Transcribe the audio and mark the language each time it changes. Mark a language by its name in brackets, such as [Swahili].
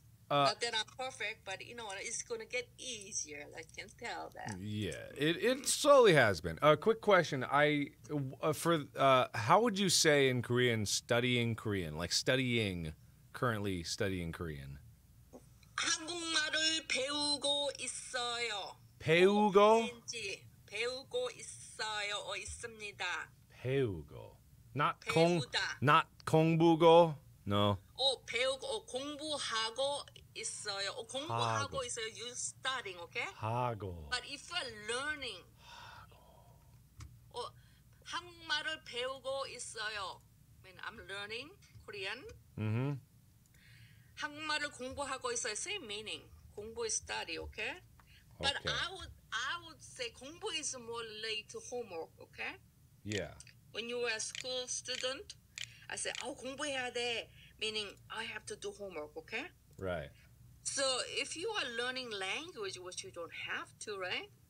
[English] Not that I'm perfect, but you know what, it's going to get easier. I can tell that. Yeah, it slowly has been. A quick question. How would you say in Korean, studying Korean, like studying, currently studying Korean? [Korean] 한국말을 배우고 있어요. 배우고? 배우고 있어요. 어 있습니다. 배우고. [English] Not [Korean] 공부고? [English] No. [Korean] 어 배우고 공부하고 있어요. 어 공부하고 있어요. [English] You studying, okay? [Korean] 하고. [English] But if you're learning. [Korean] 하고. 어 한국말을 배우고 있어요. [English] I mean, I'm learning Korean. [Korean] 한국말을 공부하고 있어요. [English] Same meaning. 공부 is study, okay? But I would say 공부 is more related to homework, okay? Yeah. When you were a school student, I say, [Korean] 아, 공부해야 돼. [English] Meaning, I have to do homework, okay? Right. So if you are learning language, which you don't have to, right?